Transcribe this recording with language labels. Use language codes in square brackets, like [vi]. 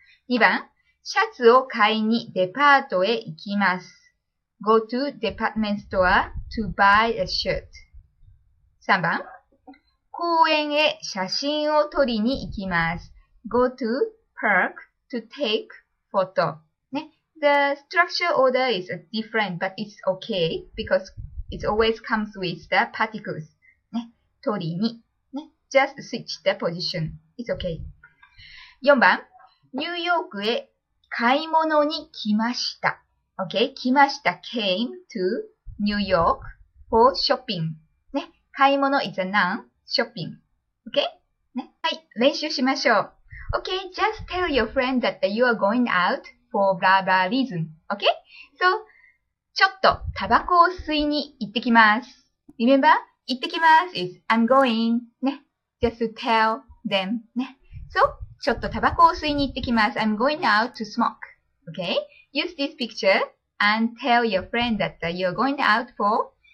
[ja] 2番、シャツを買いにデパートへ行きます。 [en] Go to department store to buy a shirt. [ja] 3番、公園へ写真を撮りに行きます。 [en] Go to park to take photo. The structure order is different, but it's okay because it always comes with the particles. ね、取りに、ね、just switch the position. It's okay. [ja] 4番、ニューヨークへ買い物に来ました。 [en] Okay, 来ました came to New York for shopping. ね、買い物 is a noun, shopping. Okay? [ja] ね、はい、練習しましょう。 [en] Okay, just tell your friend that you are going out. For blah blah reason. Okay? [ja] So, ちょっとタバコを吸いに行ってきます。 [en] Remember? 行ってきます is I'm going. ね。Just to tell them. ね。 [ja] So, ちょっとタバコを吸いに行ってきます。 [en] I'm going out to smoke. Okay? Use this picture and tell your friend that you're going out for.